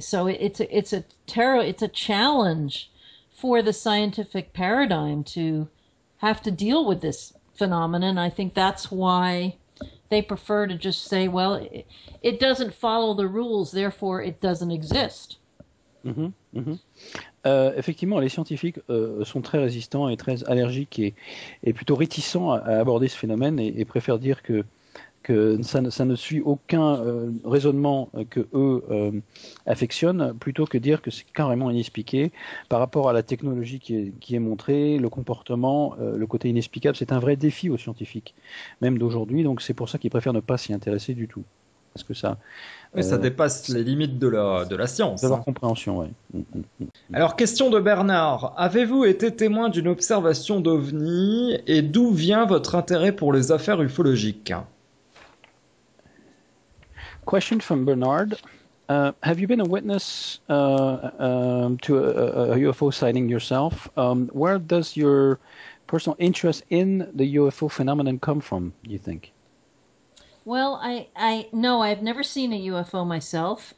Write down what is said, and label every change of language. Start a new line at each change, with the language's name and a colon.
English: So it's a challenge for the scientific paradigm to have to deal with this phenomenon. I think that's why they prefer to just say, well, it doesn't follow the rules, therefore it doesn't exist.
French: Effectivement, les scientifiques sont très résistants et très allergiques et plutôt réticents à aborder ce phénomène et préfèrent dire que ça ne suit aucun raisonnement que eux affectionnent, plutôt que dire que c'est carrément inexpliqué par rapport à la technologie qui est montrée, le comportement, le côté inexplicable. C'est un vrai défi aux scientifiques, même d'aujourd'hui, donc c'est pour ça qu'ils préfèrent ne pas s'y intéresser du tout. Parce que ça... Mais ça dépasse les limites de la science. De leur compréhension, oui. Alors, question de Bernard. Avez-vous été témoin d'une observation d'OVNI et d'où vient votre intérêt pour les affaires ufologiques?
English: Question from Bernard. Have you been a witness to a UFO sighting yourself? Where does your personal interest in the UFO phenomenon come from, you think? Well, no, I've never seen a UFO myself.